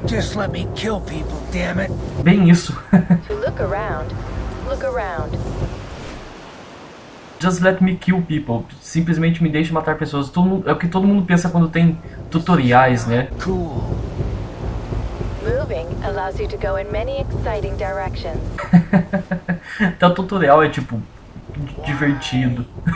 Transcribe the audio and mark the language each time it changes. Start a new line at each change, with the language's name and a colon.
English: Just let me kill people, damn it.
Portuguese: Bem isso.
English: To look around, look around. Just let me kill people.
Portuguese: Simplesmente me deixe matar pessoas. Todo mundo, é o que todo mundo pensa quando tem tutoriais, né?
English: Cool. Moving allows you to go in many exciting directions.
Portuguese: Então, tutorial é tipo divertido.